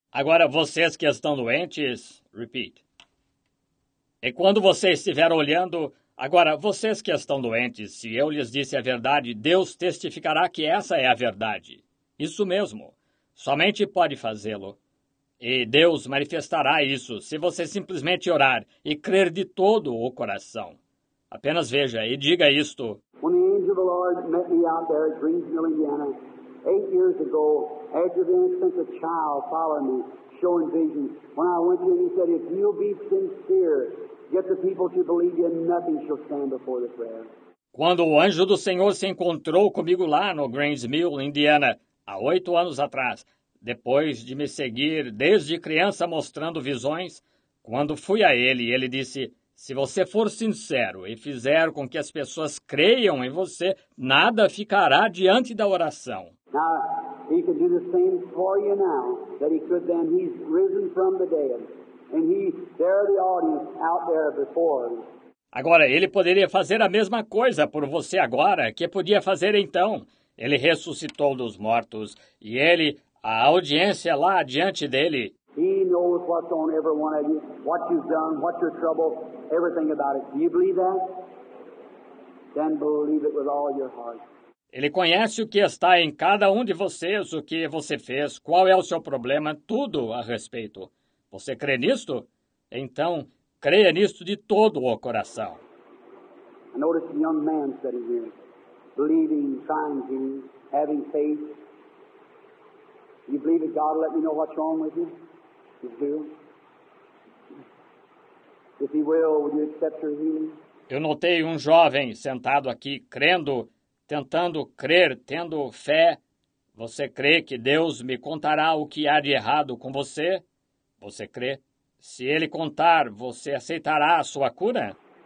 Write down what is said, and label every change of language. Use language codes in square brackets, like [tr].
[pt] Agora, vocês que estão doentes, repeat. E quando você estiver olhando, agora, vocês que estão doentes, se eu lhes disse a verdade, Deus testificará que essa é a verdade. Isso mesmo. Somente pode fazê-lo. E Deus manifestará isso se você simplesmente orar e crer de todo o coração. Apenas veja e diga isto. [en] When the angel of the Lord met me out there at Greensville, Indiana, 8 years ago, after the instance a child followed me, showing visions. When I went to him, he said, if you'll be sincere, get the people to believe you, nothing shall stand before the prayer. [pt] Quando o anjo do Senhor se encontrou comigo lá no Greensville, Indiana, há 8 anos atrás, depois de me seguir desde criança mostrando visões, quando fui a ele, ele disse, se você for sincero e fizer com que as pessoas creiam em você, nada ficará diante da oração. [en] Now, he can do the same for you now that he could then. He's risen from the dead. And he, there are the audience out there before. [pt] Agora, ele poderia fazer a mesma coisa por você agora que podia fazer então. Ele ressuscitou dos mortos e ele... A audiência lá diante dele. [en] He knows what's on every one of you, what you've done, what your trouble, everything about it. Do you believe that? Then believe it with all your heart. [pt] Ele conhece o que está em cada um de vocês, o que você fez, qual é o seu problema, tudo a respeito. Você crê nisto? Então, creia nisto de todo o coração. [en] I noticed a young man sitting here, believing, trying to, having faith. You believe that God will let me know what's wrong with you? You do? If He will you accept your healing? [pt] Eu notei jovem sentado aqui, crendo, tentando crer, tendo fé. Você crê que Deus me contará o que há de errado com você? Você crê? Se Ele contar, você aceitará a sua cura?